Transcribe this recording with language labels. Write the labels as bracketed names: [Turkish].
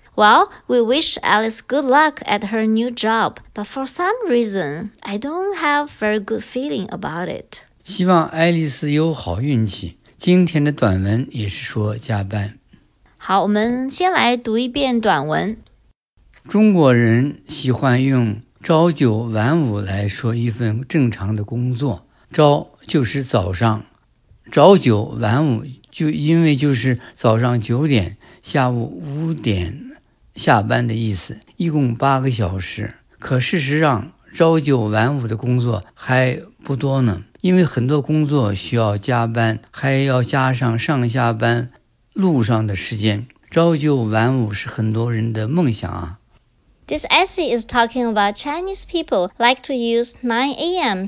[English] Well, we wish Alice good luck at her new job, but for some reason, I don't have very good feeling about it. [Chinese] 希望爱丽丝有好运气。今天的短文也是说加班。好，我们先来读一遍短文。中国人喜欢用朝九晚五来说一份正常的工作，朝就是早上，朝九晚五就因为就是早上九点，下午五点下班的意思，一共八个小时。可事实上，朝九晚五的工作还不多呢，因为很多工作需要加班，还要加上上下班路上的时间。朝九晚五是很多人的梦想啊。 [English] This essay is talking about Chinese people like to use 9 a.m.